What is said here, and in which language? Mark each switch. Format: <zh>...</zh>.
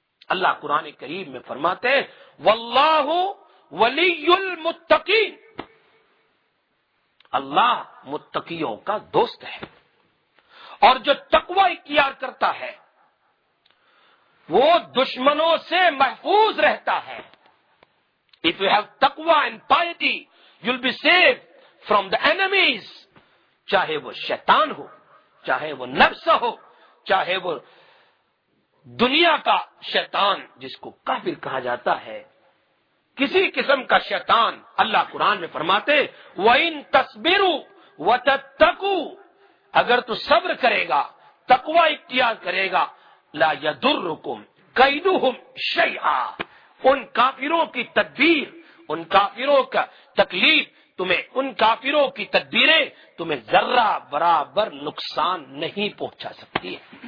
<ur>اللہ قرآن کریم میں فرماتے ہیں</ur> <ar>واللہ ولی المتقین,</ar> <ur>اللہ متقیوں کا دوست ہے. اور جو تقویٰ اختیار کرتا ہے وہ دشمنوں سے محفوظ رہتا ہے.</ur> <en>If you have taqwa and piety, you'll be saved from the enemies.</en> <ur>چاہے وہ شیطان ہو, چاہے وہ نفس ہو, چاہے وہ دنیا کا شیطان جس کو کافر کہا جاتا ہے, کسی قسم کا شیطان. اللہ قرآن میں فرماتے</ur> <ar>وَإِن تَصْبِرُوا وَتَتَّقُوا</ar> <ur>اگر تو صبر کرے گا تقوی اختیار کرے گا</ur> <ar>لَا يَدُرُّكُمْ قَيْدُهُمْ شَيْعًا</ar> <ur>ان کافروں کی تدبیر ان کافروں کا تکلیف تمہیں ان کافروں کی تدبیریں تمہیں ذرہ برابر نقصان نہیں پہنچا سکتی ہے.</ur>